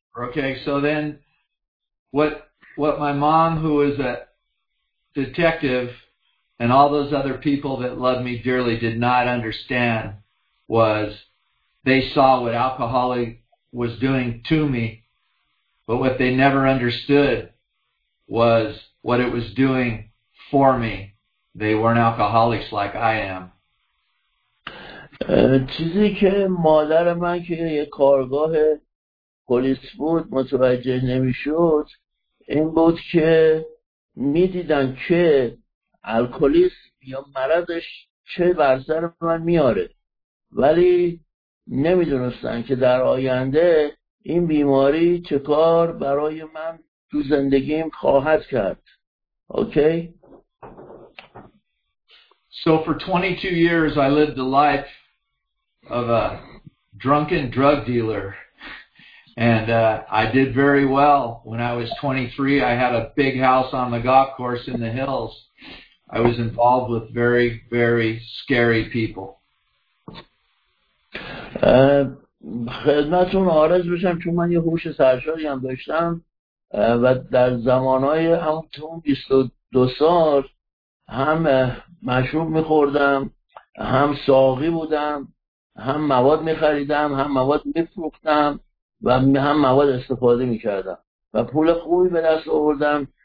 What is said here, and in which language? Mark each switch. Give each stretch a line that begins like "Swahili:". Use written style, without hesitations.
English: Okay, so then what my mom, who was a detective, and all those other people that loved me dearly did not understand was they saw what alcohol was doing to me, but what they never understood was what it was doing for me. They weren't alcoholics like I am.
Persian: چیزی که مادر من که یه کارگاه پلیس بود متوجه نمیشد این بود که میدیدن که الکلیس یا مرضش چه بر سر من میاره، ولی نمیدونستن که در آینده این بیماری چه کار برای من تو زندگیم خواهد کرد. اوکی؟
English: So for 22 years I lived the life of a drunken drug dealer. And I did very well. When I was 23, I had a big house on the golf course in the hills. I was involved with very, very scary people.
Persian: خدمتتون عرض بشم، چون من یه هوش سرشاری هم داشتم و در زمانهای همون 22 دو سال هم مشروب میخوردم هم ساقی بودم هم مواد میخریدم هم مواد میفروختم و هم مواد استفاده میکردم و پول خوبی به دست آوردم.